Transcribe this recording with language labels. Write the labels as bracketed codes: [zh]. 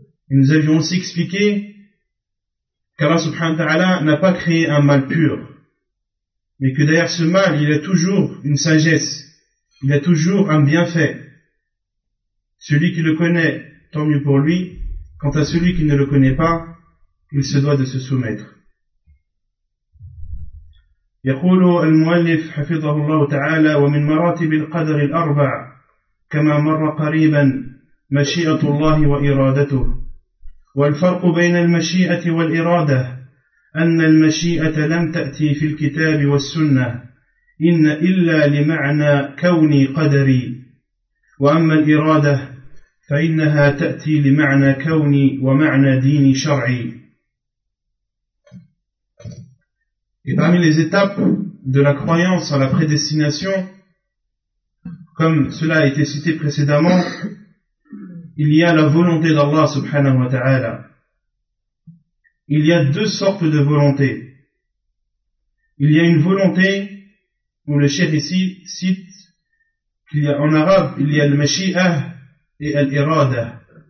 [fr] Et nous avions aussi expliqué qu'Allah subhanahu wa ta'ala n'a pas créé un mal pur, mais que derrière ce mal, il y a toujours une sagesse, il y a toujours un bienfait. Celui qui le connaît, tant mieux pour lui. Quant à celui qui ne le connaît pas, il se doit de se soumettre. [ar] يقول المؤلف حفظه الله تعالى ومن مراتب القدر الأربع كما مر قريبا مشيئة الله وإرادته والفرق بين المشيئة والإرادة أن المشيئة لم تأتي في الكتاب والسنة إن إلا لمعنى كوني قدري وأما الإرادة فإنها تأتي لمعنى كوني ومعنى ديني شرعي. [fr] Et parmi les étapes de la croyance à la prédestination, comme cela a été cité précédemment, il y a la volonté d'Allah subhanahu wa ta'ala. Il y a deux sortes de volonté. Il y a une volonté, où le cheikh ici cite, qu'il y a en arabe, il y a al-mashi'ah et al-iradah.